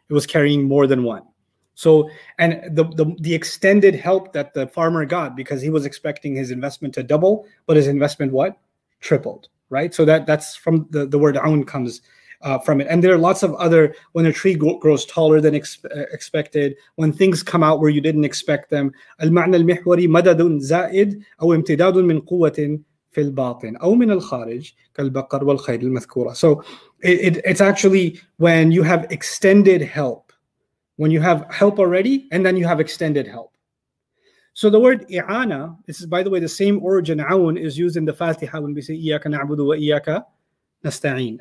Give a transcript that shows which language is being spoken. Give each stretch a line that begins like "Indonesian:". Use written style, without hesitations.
English: It was carrying more than one. So, and the extended help that the farmer got because he was expecting his investment to double, but his investment what? Tripled, right? So that's from the word awn comes from it. And there are lots of other, when a tree grows taller than expected, when things come out where you didn't expect them.
Arabic: المعنى المحوري مددٌ زائد أو امتدادٌ من قوة في الباطن أو من الخارج كالبقر والخيل المذكورة.
English: So it's actually when you have extended help, when you have help already, and then you have extended help. So the word i'ana, this is by the way the same origin, awn, is used in the Fatiha when we say
Arabic: iyyaka na'budu wa iyyaka nasta'in.